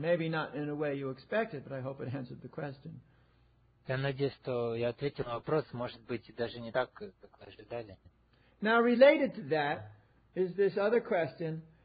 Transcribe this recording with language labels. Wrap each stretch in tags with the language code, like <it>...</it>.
<en>Maybe not in a way you expected, but I hope it answered the question.</en> <ru>Я надеюсь, что я ответил на вопрос, может быть, даже не так, как вы ожидали.</ru> <en>Now, related to that is this other question.</en>